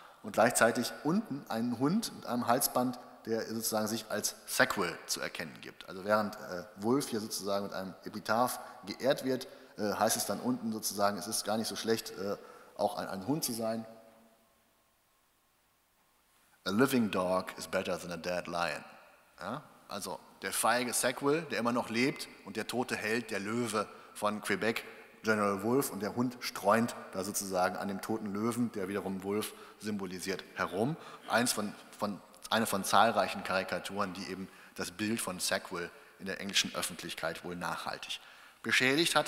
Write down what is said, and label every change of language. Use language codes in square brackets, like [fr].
[de] Und gleichzeitig unten einen Hund mit einem Halsband, der sozusagen sich als Sackville zu erkennen gibt. Also während Wolfe hier sozusagen mit einem Epitaph geehrt wird, heißt es dann unten sozusagen, es ist gar nicht so schlecht, auch ein Hund zu sein. [en] "A living dog is better than a dead lion." [de] Ja? Also der feige Sackville, der immer noch lebt, und der tote Held, der Löwe von Quebec, General Wolfe, und der Hund streunt da sozusagen an dem toten Löwen, der wiederum Wolfe symbolisiert, herum. Eine von zahlreichen Karikaturen, die eben das Bild von Sackville in der englischen Öffentlichkeit wohl nachhaltig beschädigt hat.